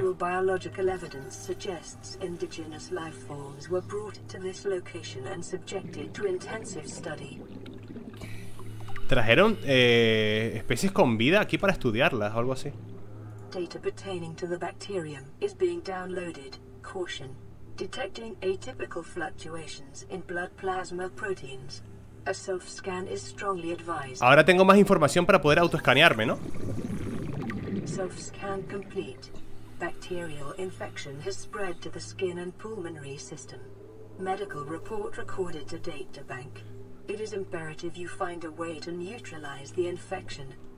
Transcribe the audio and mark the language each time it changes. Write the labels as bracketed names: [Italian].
[English] Residual biological evidence suggests indigenous life forms were brought to this location and subjected to intensive study. [Spanish] Trajeron especies con vida aquí para estudiarlas o algo así. [English] Data pertaining to the bacterium is being downloaded. Caution. Detecting atypical fluctuations in blood plasma proteins. A self-scan is strongly advised. [Spanish] Ahora tengo más información para poder autoescanearme, ¿no? [English] Self-scan complete. Bacterial infection has spread to the skin and pulmonary system. Medical report recorded to data bank. It is imperative you find a way to neutralize the infection.